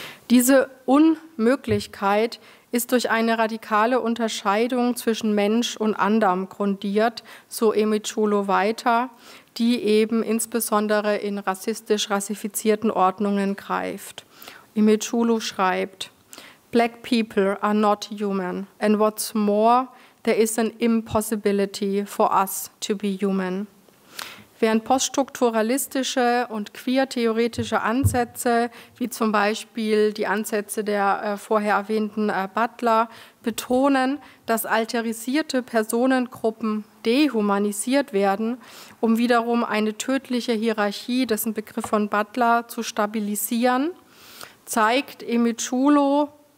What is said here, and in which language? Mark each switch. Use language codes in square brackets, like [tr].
[de] Diese Unmöglichkeit ist durch eine radikale Unterscheidung zwischen Mensch und Anderem grundiert, so Emil Chulo weiter, die eben insbesondere in rassistisch rassifizierten Ordnungen greift. Emil Chulo schreibt: [en] Black people are not human, and what's more, there is an impossibility for us to be human. [de] Während poststrukturalistische und queer-theoretische Ansätze, wie zum Beispiel die Ansätze der vorher erwähnten Butler, betonen, dass alterisierte Personengruppen dehumanisiert werden, um wiederum eine tödliche Hierarchie, dessen Begriff von Butler, zu stabilisieren, zeigt Emil Chulo